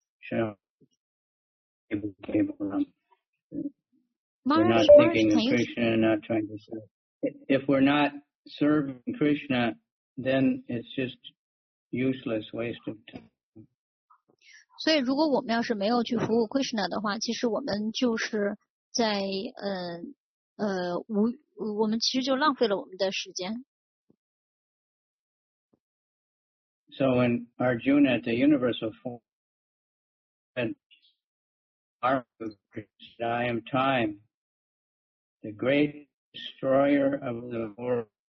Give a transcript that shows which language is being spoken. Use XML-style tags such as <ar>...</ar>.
<en>If we're not serving Krishna, then it's just useless waste of time.</en> <zh>所以如果我们要是没有去服务 Krishna 的话，其实我们就是在我们其实就浪费了我们的时间。</zh> <en>So when Arjuna at the universal form and Arjuna, I am time, the great destroyer of the world.</en>